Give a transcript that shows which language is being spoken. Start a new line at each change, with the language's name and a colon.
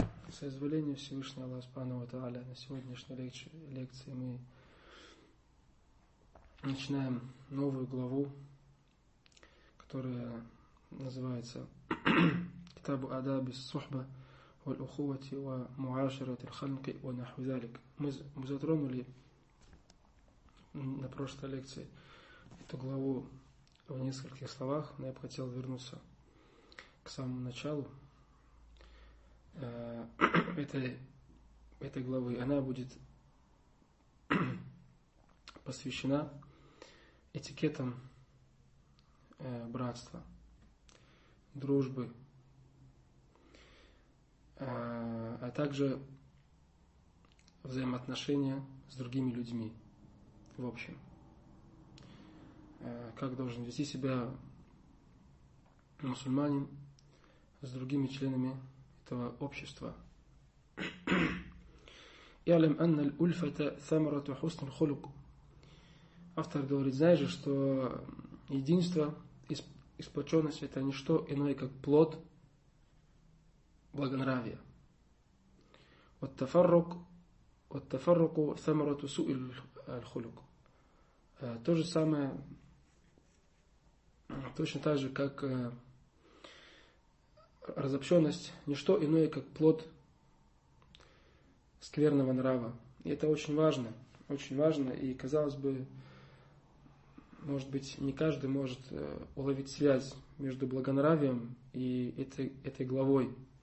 Russian: Соизволение Всевышнего Аллаха Субхана ва Тааля на сегодняшней лекции мы начинаем новую главу, которая называется Китабу Адаби Сухба Валь-Ухувати ва Муашарати Аль-Халки ва Наху Залик. Мы затронули на прошлой лекции эту главу в нескольких словах, но я бы хотел вернуться к самому началу этой главы. Она будет посвящена этикетам братства, дружбы, а также взаимоотношения с другими людьми в общем. Как должен вести себя мусульманин с другими членами этого общества.
Arabic: يعلم أن الألفة ثمرة حسن الخلق.
Russian: Автор говорит, знаешь же, что единство, сплоченность это не что иное, как плод благонравия.
Arabic: والتفرقوا ثمرة سوء الخلق.
Russian: То же самое, точно так же, как разобщенность, не что иное, как плод скверного нрава. И это очень важно, и, казалось бы, может быть, не каждый может уловить связь между благонравием и этой главой.